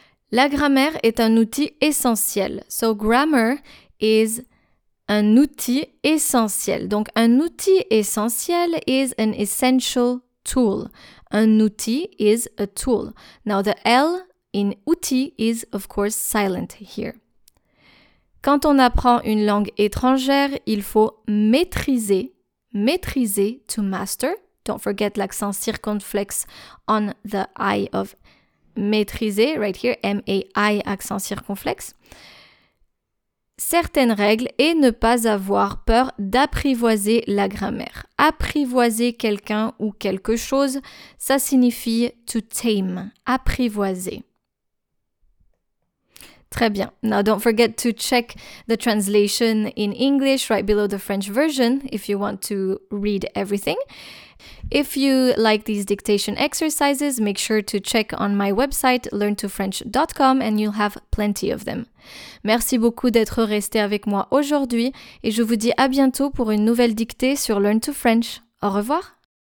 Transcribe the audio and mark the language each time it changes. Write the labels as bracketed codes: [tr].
[fr] La grammaire est un outil essentiel. [en] So grammar is [fr] un outil essentiel. Donc un outil essentiel [en] is an essential tool. Un outil is a tool. Now the L in outil is of course silent here. [fr] Quand on apprend une langue étrangère, il faut maîtriser, maîtriser, [en] to master. Don't forget l'accent circonflexe on the I of maîtriser, right here, M-A-I, accent circonflexe. [fr] Certaines règles et ne pas avoir peur d'apprivoiser la grammaire. Apprivoiser quelqu'un ou quelque chose, ça signifie [en] to tame, [fr] apprivoiser. Très bien. [en] Now, don't forget to check the translation in English right below the French version if you want to read everything. If you like these dictation exercises, make sure to check on my website learntofrench.com and you'll have plenty of them. [fr] Merci beaucoup d'être resté avec moi aujourd'hui et je vous dis à bientôt pour une nouvelle dictée sur Learn to French. Au revoir!